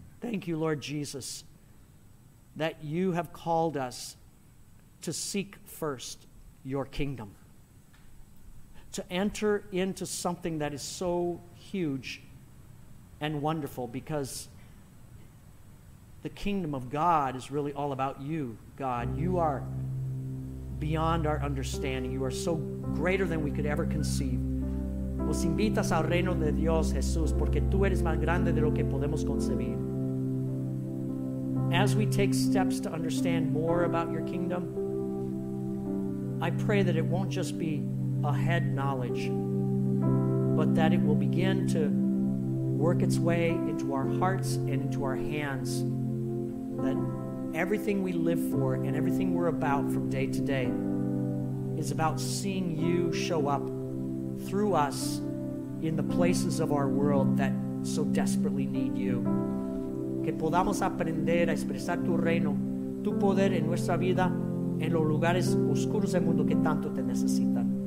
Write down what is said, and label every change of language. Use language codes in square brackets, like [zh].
[en] Thank you, Lord Jesus, that you have called us to seek first your kingdom, to enter into something that is so huge and wonderful, because the kingdom of God is really all about you, God. You are beyond our understanding. You are so greater than we could ever conceive. [es] Os invitas al reino de Dios, Jesús, porque tú eres más grande de lo que podemos concebir. [en] As we take steps to understand more about your kingdom, I pray that it won't just be a head knowledge, but that it will begin to work its way into our hearts and into our hands, that everything we live for and everything we're about from day to day is about seeing you show up through us in the places of our world that so desperately need you. [es] Que podamos aprender a expresar tu reino, tu poder en nuestra vida, en los lugares oscuros del mundo que tanto te necesitan.